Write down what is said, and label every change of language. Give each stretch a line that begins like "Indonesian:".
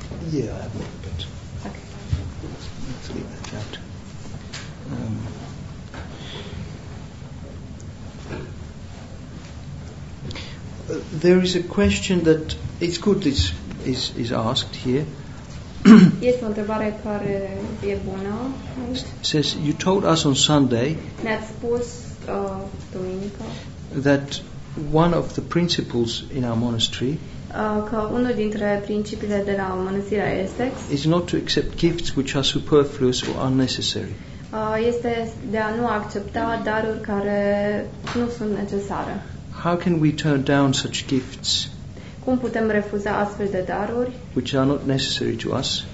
English: Yeah, I have a little bit. Okay. Let's leave that chapter. There is a question that it's good this is asked here.
Romanian: Este o întrebare care e bună.
English: Says you told us on Sunday.
Romanian: Ne-ați spus duminică.
English: That one of the principles in our monastery.
Romanian: Că unul dintre principiile de la mănăstirea Essex.
English: Is not to accept gifts which are superfluous or unnecessary.
Romanian: Este de a nu accepta daruri care nu sunt necesare.
English: How can we turn down such gifts?
Romanian: Cum putem refuza astfel de daruri?
English: Which are not necessary to us.